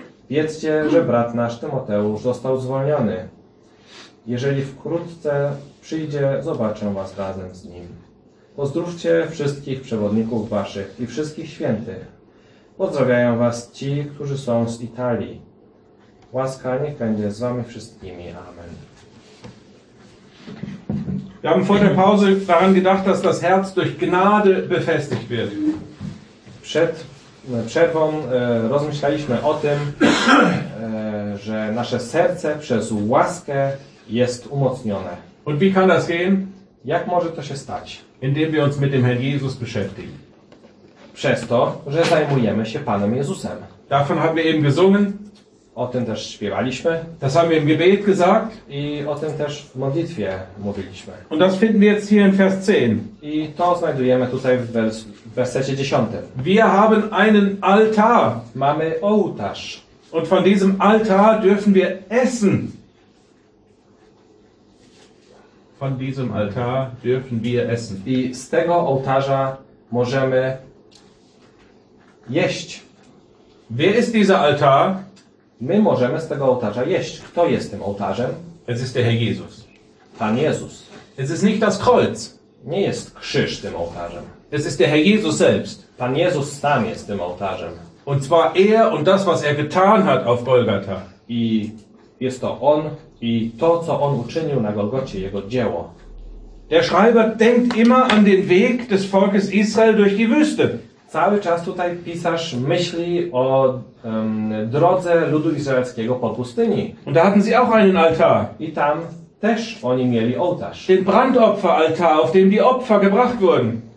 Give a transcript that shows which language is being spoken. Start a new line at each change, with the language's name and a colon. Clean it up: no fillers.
Polish: Wiedzcie, że brat nasz Tymoteusz został zwolniony. Jeżeli wkrótce przyjdzie, zobaczę was razem z nim. Pozdrówcie wszystkich przewodników waszych i wszystkich świętych. Pozdrawiają was ci, którzy są z Italii. Łaska niech będzie z wami wszystkimi. Amen.
German: Wir haben vor der Pause daran gedacht, dass das Herz durch Gnade befestigt wird.
Polish: Przed przerwą rozmyślaliśmy o tym, że nasze serce przez łaskę jest umocnione.
German: Und wie kann das gehen?
Polish: Jak może to się stać?
German: Indem wir uns mit dem Herrn Jesus beschäftigen.
Polish: Przez to, że zajmujemy się Panem Jezusem.
German: Davon haben wir eben gesungen.
Polish: O tym też śpiewaliśmy.
German: Das haben wir im Gebet gesagt.
Polish: I o tym też w modlitwie mówiliśmy.
German: Und das finden wir jetzt hier in Vers 10.
Polish: I to znajdujemy tutaj w wersecie 10.
German: Wir haben einen Altar.
Polish: Mamy ołtarz.
German: Und von diesem Altar dürfen wir essen. Von diesem Altar dürfen wir essen.
Polish: I z tego ołtarza możemy jeść.
German: Wer ist dieser Altar?
Polish: My możemy z tego ołtarza jeść. Kto jest tym ołtarzem?
German: Es ist der Herr Jesus.
Polish: Pan Jezus.
German: Es ist nicht das Kreuz.
Polish: Nie jest krzyż tym ołtarzem.
German: Es ist der Herr Jesus selbst.
Polish: Pan Jezus sam jest tym ołtarzem.
German: Und zwar er und das, was er getan hat auf Golgatha.
Polish: I jest to on i to, co on uczynił na Golgocie, jego dzieło.
German: Der Schreiber denkt immer an den Weg des Volkes Israel durch die Wüste.
Polish: Cały czas tutaj pisarz myśli o drodze ludu izraelskiego po pustyni.
German: Und da hatten sie auch einen Altar.
Polish: I tam też oni mieli ołtarz.
German: Den Brandopferaltar, auf dem die Opfer gebracht wurden.